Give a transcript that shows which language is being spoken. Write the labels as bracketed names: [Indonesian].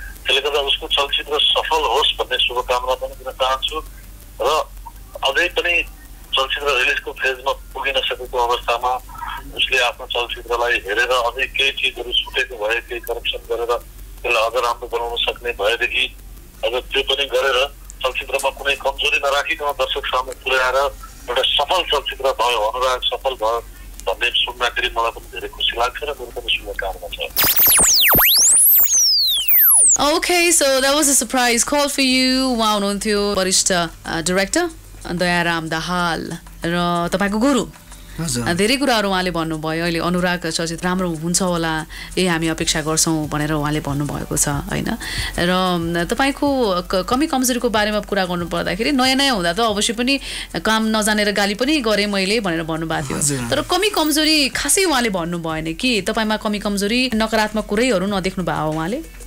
[Nepali] त्यसले गर्दा उसको चलचित्र सफल होस् भन्ने शुभकामना पनि दिन चाहन्छु र अझै पनि चलचित्र रिलिजको फेजमा पुगिन सकेको अवस्थामा उसले आफ्नो चलचित्रलाई हेरेर अझै केही चिजहरू सुटेको भए, केही करप्सन गरेर त्यसलाई अझ राम्रो बनाउन सक्ने भएदेखि अझ त्यो पनि गरेर चलचित्रमा कुनै कमजोरी नराखिकन दर्शक सामु पुर्याएर एउटा सफल चलचित्र भयो, अनुराग सफल भयो भन्ने सुन्दाखेरि मलाई पनि धेरै खुसी लाग्छ र मेरो पनि शुभकामना छ। [English] Okay, so that was a surprise call for you. Wow, no, thank you, barista director. [Nepali] Dayaram Dahal र तपाईँको गुरु धेरै कुराहरू उहाँले भन्नुभयो। अहिले अनुराग चलचित्र राम्रो हुन्छ होला यही हामी अपेक्षा गर्छौँ भनेर उहाँले भन्नुभएको छ होइन। र तपाईँको कमी कमजोरीको बारेमा कुरा गर्नुपर्दाखेरि नयाँ नयाँ हुँदा त अवश्य पनि काम नजानेर गाली पनि गरेँ मैले भनेर भन्नुभएको थियो, तर कमी कमजोरी खासै उहाँले भन्नु भएन कि तपाईँमा कमी कमजोरी नकारात्मक कुरैहरू नदेख्नु भयो उहाँले।